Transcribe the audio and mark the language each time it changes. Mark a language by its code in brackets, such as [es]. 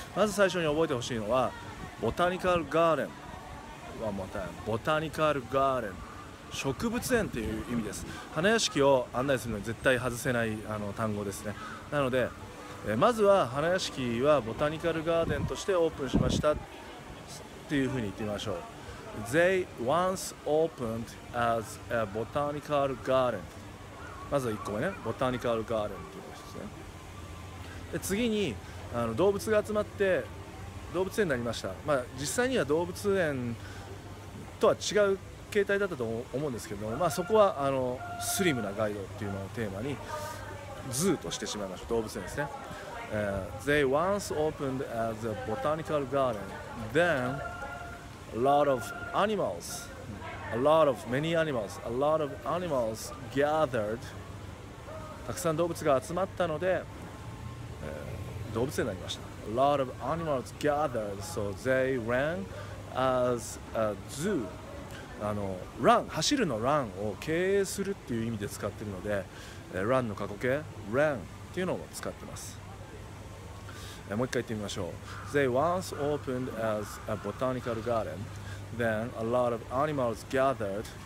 [ja] まず最初に覚えてほしいのはボタニカルガーデン、ワンモアタイム、ボタニカルガーデン、植物園という意味です。花屋敷を案内するのに絶対外せない単語ですね。なのでまずは花屋敷はボタニカルガーデンとしてオープンしましたっていうふうに言ってみましょう。 [en] They once opened as a botanical garden. [ja] まず1個目ね、ボタニカルガーデンということですね。で次に動物が集まって動物園になりました。まあ実際には動物園とは違う形態だったと思うんですけども、まあそこはスリムなガイドっていうのをテーマにズーとしてしまいました。動物園ですね。 [en] They once opened as a botanical garden. Then a lot of animals, a lot of animals gathered. [ja] たくさん動物が集まったので、動物園になりました。 [en] A lot of animals gathered, so they ran as a zoo. [ja] Run、走るの run を経営するっていう意味で使っているので、run の過去形 ran っていうのを使ってます。もう一回言ってみましょう。 [en] They once opened as a botanical garden. Then a lot of animals gathered.